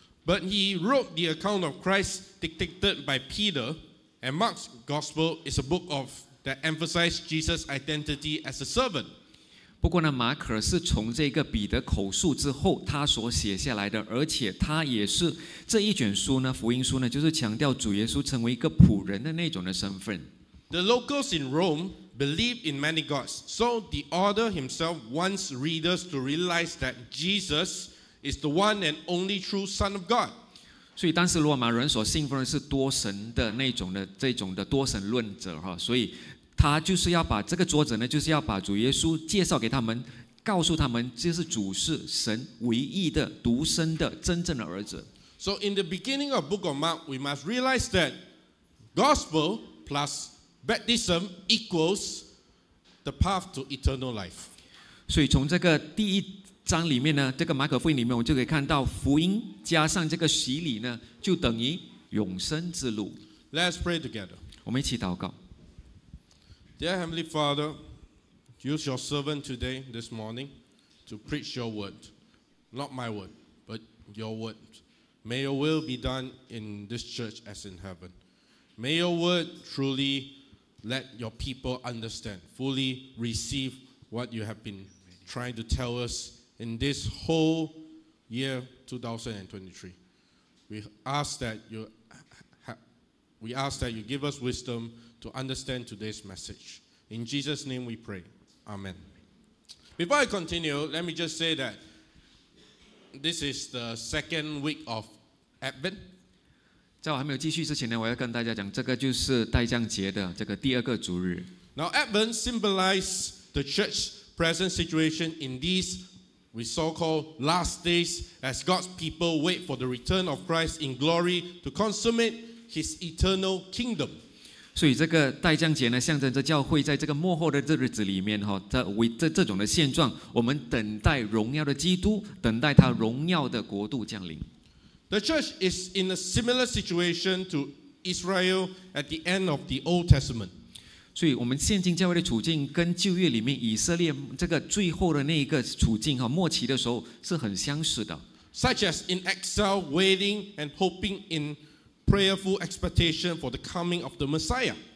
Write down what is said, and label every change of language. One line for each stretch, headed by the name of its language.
English: But he wrote the account of Christ dictated by Peter, and Mark's gospel is a book of that emphasized Jesus' identity as a servant.
Chinese: 不过呢，马可是从这个彼得口述之后他所写下来的，而且他也是这一卷书呢，福音书呢，就是强调主耶稣成为一个仆人的那种的身份。
English: The locals in Rome believed in many gods, so the author himself wants readers to realize that Jesus is the one and only true Son of God.
Chinese: 所以当时罗马人所信奉的是多神的那种的这种的多神论者，所以他就是要把这个作者呢，就是要把主耶稣介绍给他们，告诉他们这是主是神唯一的独生的真正的儿子。
English: So in the beginning of Book of Mark, we must realize that gospel plus baptism equals the path to eternal life.
Chinese: 所以从这个第一章里面呢，这个马可福音里面，我们就可以看到福音加上这个洗礼呢，就等于永生之路。
English: Let's pray together.
Chinese: 我们一起祷告。
English: Dear Heavenly Father, use your servant today, this morning, to preach your word. Not my word, but your word. May your will be done in this church as in heaven. May your word truly let your people understand, fully receive what you have been trying to tell us in this whole year 2023. We ask that you give us wisdom to understand today's message. In Jesus' name we pray. Amen. Before I continue, let me just say that this is the second week of Advent.
Chinese: 在我还没有继续之前呢，我要跟大家讲，这个就是代降节的这个第二个主日。
English: Now, Advent symbolizes the church's present situation in these We so-called last days as God's people wait for the return of Christ in glory to consummate his eternal kingdom.
Chinese: 所以这个代降节呢象征着教会在这个末后的日子里面，这种的现状，我们等待荣耀的基督，等待他荣耀的国度降临。
English: The church is in a similar situation to Israel at the end of the Old Testament.
Chinese: 所以我们现今教会的处境跟旧约里面以色列这个最后的那一个处境，末期的时候是很相似的。
English: Such as in exile, waiting and hoping in prayerful expectation for the coming of the Messiah.